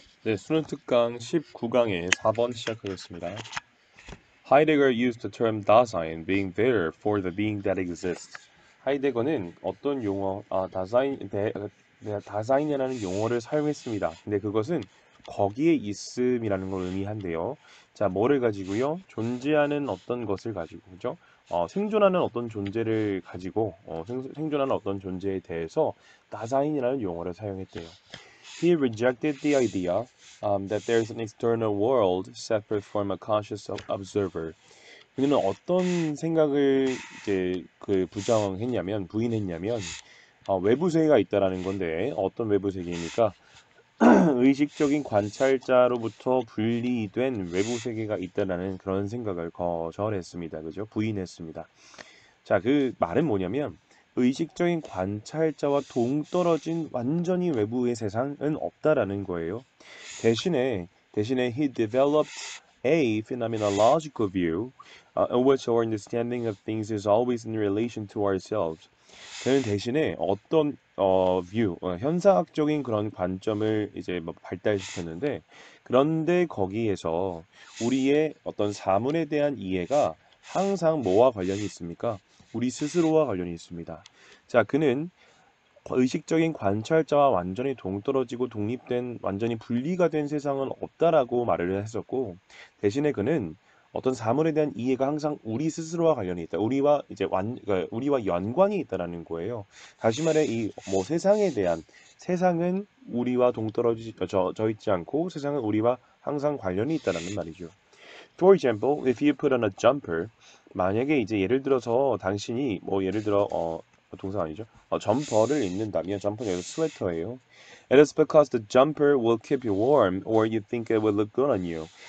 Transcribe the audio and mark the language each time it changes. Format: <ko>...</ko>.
<ko>네, 수능특강 19강의 4번 시작하겠습니다.</ko> <en>Heidegger used the term Dasein, being there for the being that exists.</en> <ko>하이데거는 어떤 용어, 다사인이라는 용어를 사용했습니다. 근데 그것은 거기에 있음이라는 걸 의미한대요. 자, 뭐를 가지고요? 존재하는 어떤 것을 가지고, 그죠? 생존하는 어떤 존재를 가지고, 생존하는 어떤 존재에 대해서 다사인이라는 용어를 사용했대요.</ko> <en>He rejected the idea that there is an external world separate from a conscious observer.</en> <ko>그는 어떤 생각을 이제 그 부정했냐면 부인했냐면 외부 세계가 있다라는 건데 어떤 외부 세계입니까? 의식적인 관찰자로부터 분리된 외부 세계가 있다라는 그런 생각을 거절했습니다. 그죠? 부인했습니다. 자, 그 말은 뭐냐면 의식적인 관찰자와 동떨어진 완전히 외부의 세상은 없다라는 거예요. 대신에</ko> <en>he developed a phenomenological view, in which our understanding of things is always in relation to ourselves.</en> <ko>그는 대신에 어떤 view, 현상학적인 그런 관점을 이제 뭐 발달시켰는데, 그런데 거기에서 우리의 어떤 사물에 대한 이해가 항상 뭐와 관련이 있습니까? 우리 스스로와 관련이 있습니다. 자, 그는 의식적인 관찰자와 완전히 동떨어지고 독립된, 완전히 분리가 된 세상은 없다라고 말을 했었고, 대신에 그는 어떤 사물에 대한 이해가 항상 우리 스스로와 관련이 있다. 우리와 연관이 있다라는 거예요. 다시 말해, 이뭐 세상에 대한, 세상은 우리와 저 있지 않고 세상은 우리와 항상 관련이 있다라는 말이죠.</ko> <en>For example, if you put on a jumper,</en> <ko>만약에 이제 예를 들어서 당신이 뭐 예를 들어 동사 아니죠? 점퍼를 입는다면 점퍼는 여기서 스웨터예요.</ko> <en>It is because the jumper will keep you warm, or you think it will look good on you.</en>